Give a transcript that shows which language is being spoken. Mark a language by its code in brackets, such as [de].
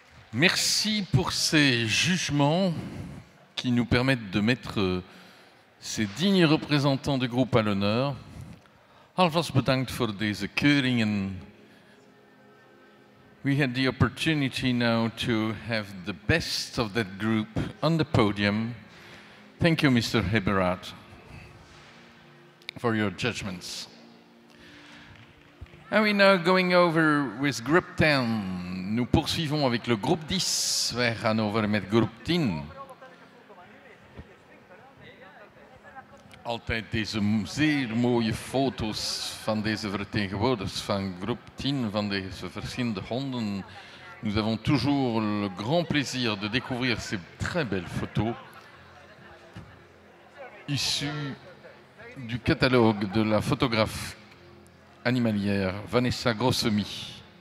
[fr] Merci pour ces jugements qui nous permettent de mettre ces dignes représentants du groupe à l'honneur. [nl] Alvast bedankt voor deze keuringen. [en] We had the opportunity now to have the best of that group on the podium. Thank you, Mr. Heberard, for your judgments. And we're now going over with group 10. [fr] Nous poursuivons avec le groupe 10 [nl] vers Hanover met groep 10. Altijd deze zeer mooie foto's van deze vertegenwoordigers van groep 10 van deze verschillende honden. [fr] Nous avons toujours le grand plaisir de découvrir ces très belles photos issues du catalogue de la photographe animalière Vanessa Grossomi.